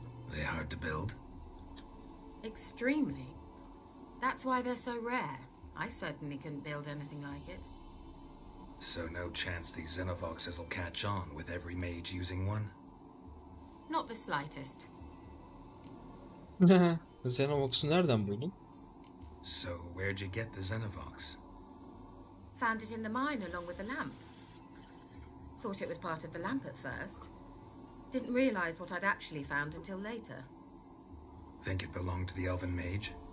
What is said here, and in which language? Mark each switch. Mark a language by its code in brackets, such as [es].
[en] They hard to build? Extremely. That's why they're so rare. I certainly couldn't build anything like it. So no chance these Xenovoxes will catch on with every mage using one? Not the slightest. [tr] Xenovox'u nereden buldun? [en] So, where'd you get the Xenovox? Found it in the mine along with the lamp. Thought it was part of the lamp at first. Didn't realize what I'd actually found until later. Think it belonged to the elven mage?